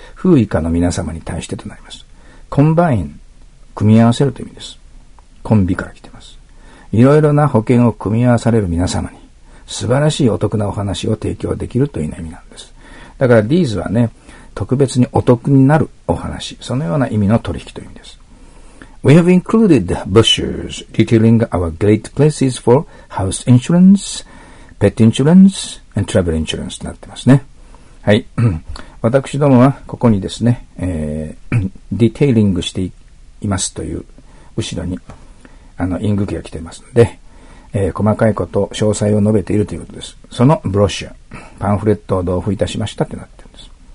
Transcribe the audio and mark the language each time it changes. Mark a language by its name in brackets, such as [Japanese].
[Japanese] who 以下の皆様に対してとなります。combine、組み合わせるという意味です。コンビから来てます。いろいろな保険を組み合わされる皆様に、素晴らしいお得なお話を提供できるという意味なんです。だから these はね、特別にお得になるお話、そのような意味の取引という意味です。 [English] We have included brochures detailing our great places for house insurance, pet insurance, and travel insurance [Japanese] となってますね。はい。私どもはここにですね、detailing していますという後ろに、イング記が来ていますので、細かいこと、詳細を述べているということです。そのブロシュア、パンフレットを同封いたしましたってなってるんです。